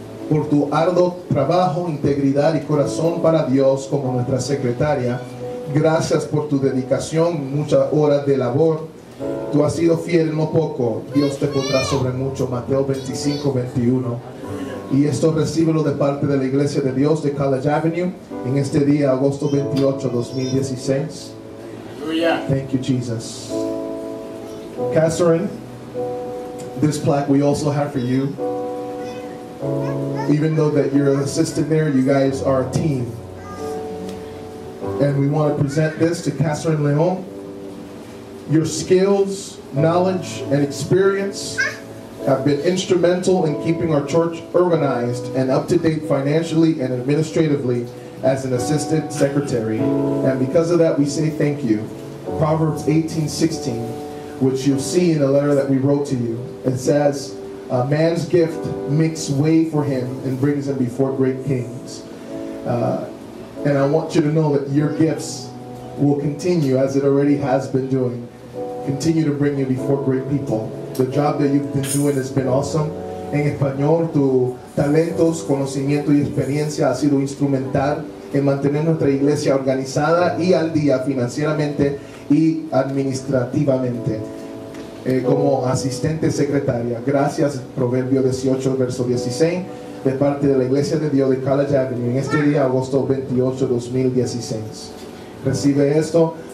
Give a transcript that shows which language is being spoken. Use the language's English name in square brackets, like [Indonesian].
[Spanish] Por tu arduo trabajo, integridad y corazón para Dios como nuestra secretaria, gracias por tu dedicación, muchas horas de labor. Tú has sido fiel no poco, Dios te pondrá sobre mucho. Mateo 25, 21. Y esto recíbelo de parte de la Iglesia de Dios de College Avenue en este día, agosto 28, 2016. [English] Thank you, Jesus. Catherine, this plaque we also have for you. Even though that you're an assistant there, you guys are a team. And we want to present this to Catherine Leon. Your skills, knowledge, and experience have been instrumental in keeping our church organized and up to date financially and administratively as an assistant secretary. And because of that, we say thank you. Proverbs 18:16, which you'll see in a letter that we wrote to you, it says, a man's gift makes way for him and brings him before great kings. And I want you to know that your gifts will continue as it already has been doing. Continue to bring you before great people. The job that you've been doing has been awesome. [Spanish] En español, tu talentos, conocimiento y experiencia ha sido instrumental en mantener nuestra iglesia organizada y al día financieramente y administrativamente. Como asistente secretaria, gracias, Proverbio 18, verso 16, de parte de la Iglesia de Dios de College Avenue, en este día, agosto 28, 2016. Recibe esto.